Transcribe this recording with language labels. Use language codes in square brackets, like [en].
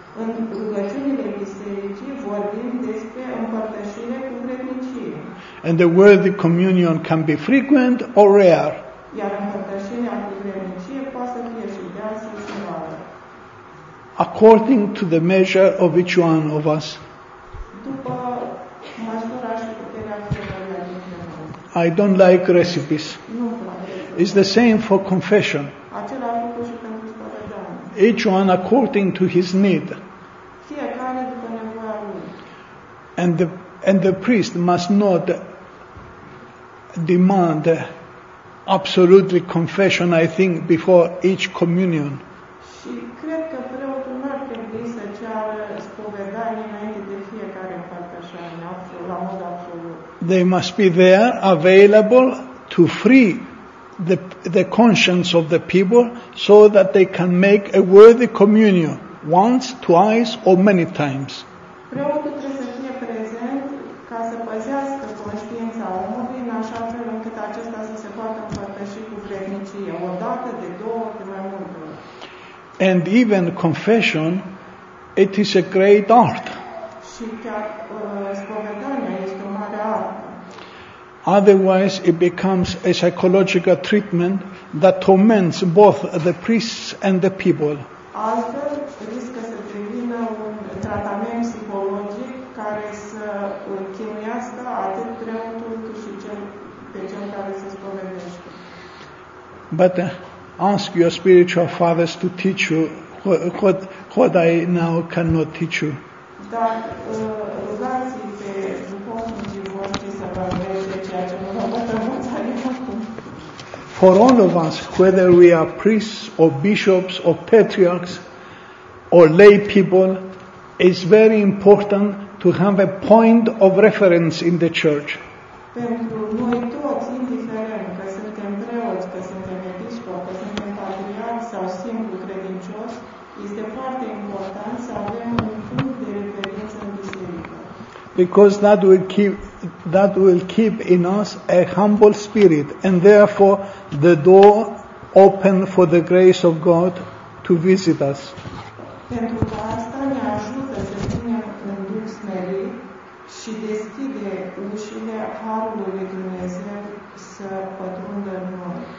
[ro] În rugăciunile bisericii vorbim despre împărtășire cu vrednicie. [en] And the worthy communion can be frequent or rare. [ro] Iar împărtășirea cu vrednicie poate să fie și deasă și rară. [en] According to the measure of each one of us. [ro] După măsura și puterea fiecăruia dintre noi. [en] I don't like recipes. [ro] Nu plac. [en] It's the same for confession. [ro] Același lucru și pentru spovedanie. [en] Each one according to his need. [ro] Fiecare după nevoia lui. [en] And the priest must not demand absolutely confession, I think, before each communion. [ro] Și cred că preotul nu ar trebui să ceară spovedanie înainte de fiecare împărtășanie, la mod absolut. [en] They must be there, available to free the conscience of the people so that they can make a worthy communion once, twice or many times. [ro] Preotul trebuie să fie prezent ca să păzească conștiința omului în așa fel încât acesta să se poată împărtăși cu vrednicie o dată, de două, de mai multe ori. [en] And even confession, it is a great art. [ro] Și chiar spovedania este o mare artă. [en] Otherwise, it becomes a psychological treatment that torments both the priests and the people. [ro] Altfel, riscă să devină un tratament psihologic care să îl chinuiască atât preotul cât și pe cel care se spovedește. [en] But ask your spiritual fathers to teach you what I now cannot teach you. [ro] Dar rugați-i pe duhovnicii voștri să vă învețe ceea ce nu vă pătrămâți acum. [en] For all of us, whether we are priests or bishops or patriarchs or lay people, it's very important to have a point of reference in the church. [ro] Pentru noi toți, indiferent că suntem preoți, că suntem episcopi, că suntem patriarchi sau simplu credincios, este foarte important să avem un punct de referință în biserică. [en] Because that will keep in us a humble spirit and therefore the door open for the grace of God to visit us. [ro] Pentru că asta ne ajută să ținem în duh smerit și deschide ușile harului lui Dumnezeu să pătrundă în noi.